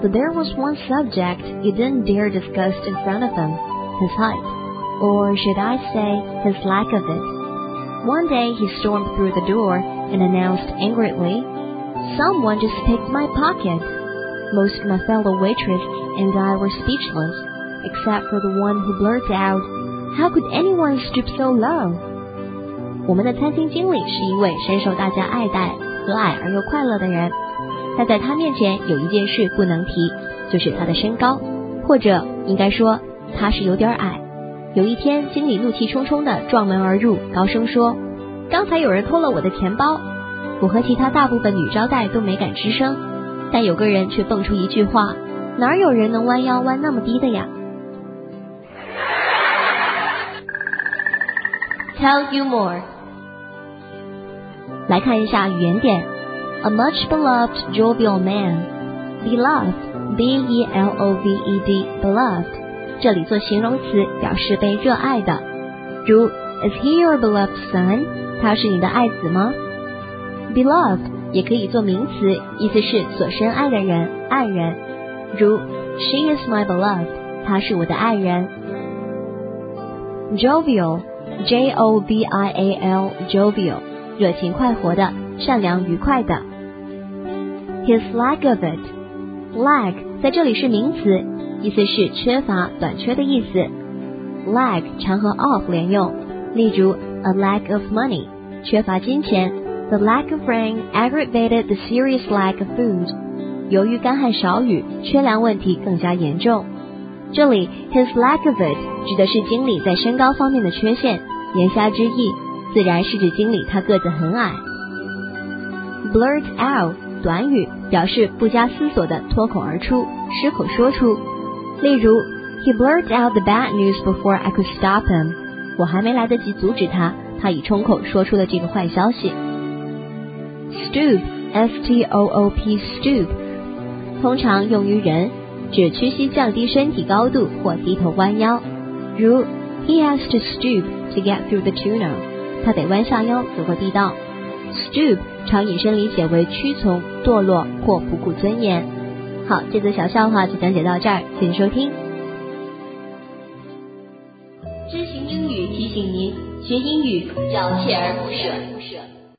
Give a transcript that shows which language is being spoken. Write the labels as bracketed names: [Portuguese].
[English] But there was one subject he didn't dare discuss in front of him, his height, or should I say, his lack of it. One day he stormed through the door and announced angrily, "Someone just picked my pocket." Most of my fellow waitress and I were speechless, except for the one who blurted out, "How could anyone stoop so low?" [Chinese] 我们的餐厅经理是一位深受大家爱戴、和蔼而又快乐的人，但在他面前有一件事不能提，就是他的身高，或者应该说他是有点矮。有一天，经理怒气冲冲地撞门而入，高声说，刚才有人偷了我的钱包。我和其他大部分女招待都没敢吱声，但有个人却蹦出一句话，哪有人能弯腰弯那么低的呀。 [English] Tell you more. [Chinese] 来看一下语言点。 [English] A much beloved jovial man. Beloved, B-E-L-O-V-E-D, beloved. [Chinese] 这里做形容词表示被热爱的。如 [English] Is he your beloved son? [Chinese] 他是你的爱子吗？ Beloved 也可以做名词，意思是所深爱的人、爱人。如 [English] She is my beloved. [Chinese] 他是我的爱人。Jovial. J-O-V-I-A-L, jovial, 热情快活的，善良愉快的。 [English] His lack of it. [Chinese] Lack, 在这里是名词，意思是缺乏、短缺的意思。 Lack, 常和 of 连用，例如 [English] a lack of money, [Chinese] 缺乏金钱。 [English] The lack of rain aggravated the serious lack of food. [Chinese] 由于干旱少雨，缺粮问题更加严重。这里 his lack of it 指的是经理在身高方面的缺陷，言下之意自然是指经理他个子很矮。 blurt out 短语，表示不加思索的脱口而出，失口说出。 [English] 例如 he blurt out the bad news before I could stop him. [Chinese] 我还没来得及阻止他，他已冲口说出了这个坏消息。 stoop S-T-O-O-P stoop 通常用于人，指屈膝降低身体高度或低头弯腰。 [English] 如 He has to stoop to get through the tunnel. [Chinese] 他得弯下腰走过地道。 Stoop 常引申理解为屈从、堕落或不顾尊严。好，这则小笑话就讲解到这儿，谢谢收听。知行英语提醒您，学英语要锲而不舍。